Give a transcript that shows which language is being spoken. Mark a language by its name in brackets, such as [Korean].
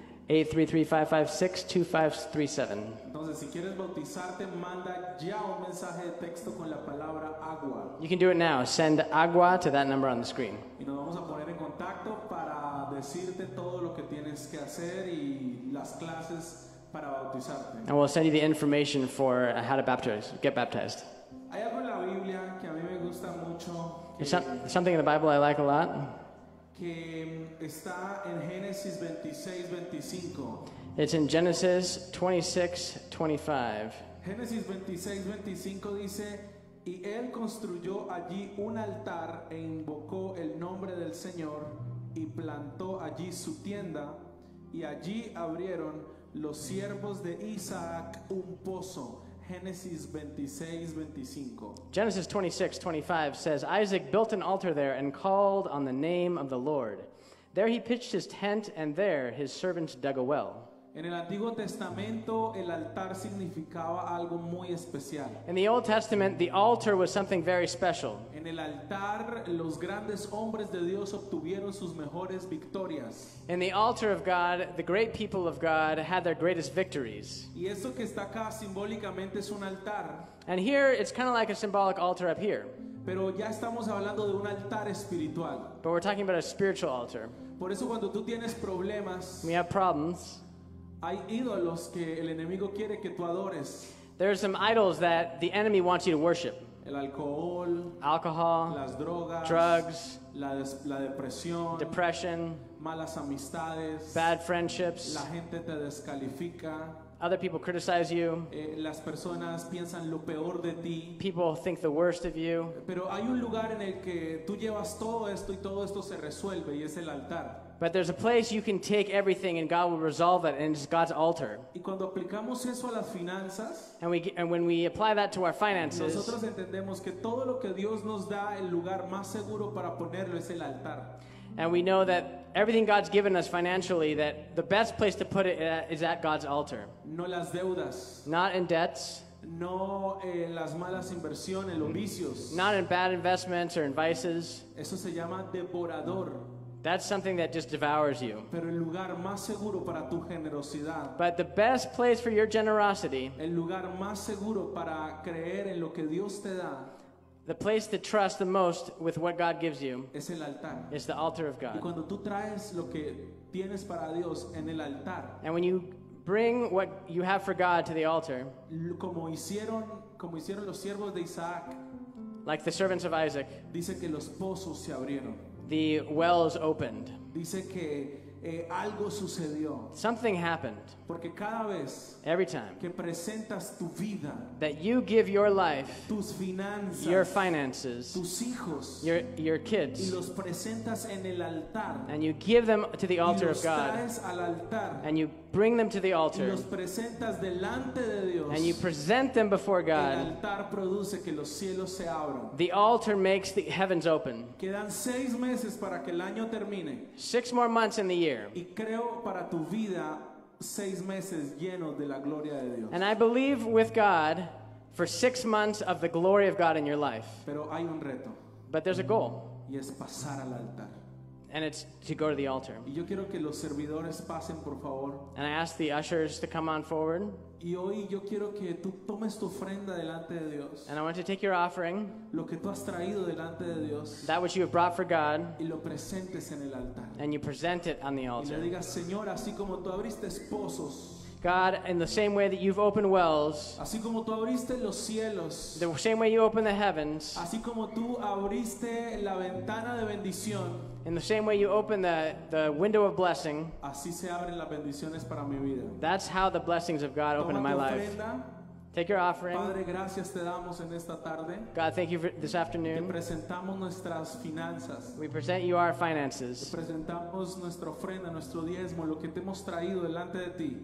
[Spanish] 833-556-2537. Entonces, si quieres bautizarte, manda ya un mensaje de texto con la palabra agua. [English] You can do it now. Send agua to that number on the screen. [Spanish] Y nos vamos a poner en contacto para decirte todo lo que tienes que hacer y las clases para bautizarte. [English] And we'll send you the information for how to get baptized. [Spanish] Hay algo en la Biblia que a mí me gusta mucho. [English] It's something in the Bible I like a lot. [Spanish] Que está en Génesis 26:25. [English] It's in Genesis 26:25. [Spanish] Génesis 26:25 dice, Y él construyó allí un altar e invocó el nombre del Señor y plantó allí su tienda y allí abrieron los siervos de Isaac un pozo. [English] Genesis 26:25 says, Isaac built an altar there and called on the name of the Lord. There he pitched his tent and there his servants dug a well. [Spanish] En el Antiguo Testamento, el altar significaba algo muy especial. [English] In the Old Testament, the altar was something very special. [Spanish] En el altar, los grandes hombres de Dios obtuvieron sus mejores victorias. [English] In the altar of God, the great people of God had their greatest victories. [Spanish] Y eso que está acá simbólicamente es un altar. [English] And here, it's kind of like a symbolic altar up here. [Spanish] Pero ya estamos hablando de un altar espiritual. [English] But we're talking about a spiritual altar. [Spanish] Por eso cuando tú tienes problemas, [English] we have problems. [Spanish] Hay ídolos que el enemigo quiere que tú adores. [English] There are some idols that the enemy wants you to worship. [Spanish] El alcohol, las drogas, [English] drugs, [Spanish] la depresión, [English] depression, [Spanish] malas amistades, [English] bad friendships, [Spanish] la gente te descalifica. [English] Other people criticize you. [Spanish] Las personas piensan lo peor de ti. [English] People think the worst of you. [Spanish] Pero hay un lugar en el que tú llevas todo esto y todo esto se resuelve y es el altar. [English] But there's a place you can take everything and God will resolve it, and it's God's altar. [Spanish] Y cuando aplicamos eso a las finanzas, [English] and when we apply that to our finances, [Spanish] nosotros entendemos que todo lo que Dios nos da, el lugar más seguro para ponerlo es el altar. [English] And we know that everything God's given us financially, that the best place to put it is at God's altar. [Spanish] No las deudas. [English] Not in debts. [Spanish] No las malas inversiones, los vicios. [English] Not in bad investments or in vices. [Spanish] Eso se llama devorador. [English] That's something that just devours you. [Spanish] Pero el lugar más seguro para tu generosidad, [English] but the best place for your generosity, [Spanish] el lugar más seguro para creer en lo que Dios te da, [English] the place to trust the most with what God gives you, [Spanish] es el altar. [English] Is the altar of God. [Spanish] Y cuando tú traes lo que tienes para Dios en el altar, [English] and when you bring what you have for God to the altar, [Spanish] como hicieron los siervos de Isaac, [English] like the servants of Isaac, [Spanish] dice que los pozos se abrieron. [English] The wells opened. [Spanish] Dice que, algo sucedió. [English] Something happened. [Spanish] Porque cada vez, [English] every time, [Spanish] que presentas tu vida, [English] that you give your life, [Spanish] tus finanzas, [English] your finances, [Spanish] tus hijos, [English] your kids, [Spanish] y los presentas en el altar, [English] and you give them to the altar [Spanish] y los [English] of God, [Spanish] traes al altar, [English] and you bring them to the altar, [Spanish] y los presentas delante de Dios, [English] and you present them before God, [Spanish] el altar produce que los cielos se abran. [English] The altar makes the heavens open. [Spanish] Quedan 6 meses para que el año termine. [English] 6 more months in the year. [Spanish] Y creo para tu vida, 6 meses lleno de la gloria de Dios. [English] And I believe with God for 6 months of the glory of God in your life. [Spanish] Pero hay un reto. [English] But there's a goal. [Spanish] Y es pasar al altar. [English] And it's to go to the altar. [Spanish] Y yo quiero que los servidores pasen, por favor. [English] And I ask the ushers to come on forward. [Spanish] Y hoy yo quiero que tú tomes tu ofrenda delante de Dios. [English] And I want to take your offering, [Spanish] lo que tú has traído delante de Dios, [English] that which you have brought for God, [Spanish] y lo presentes en el altar. [English] And you present it on the altar. [Spanish] Y le digas, Señor, así como tú abriste pozos, [English] God, in the same way that you've opened wells, [Spanish] así como tú abriste los cielos, [English] the same way you opened the heavens, [Spanish] así como tú abriste la ventana de bendición, [English] in the same way you open the window of blessing, [Spanish] así se abren las bendiciones para mi vida. [English] That's how the blessings of God [Spanish] toma [English] open in my life. Take your offering. [Spanish] Padre, gracias te damos en esta tarde. [English] God, thank you for this afternoon. [Spanish] Te presentamos nuestras finanzas. [English] We present you our finances. [Spanish] Te presentamos nuestra ofrenda, nuestro diezmo, lo que te hemos traído delante de ti.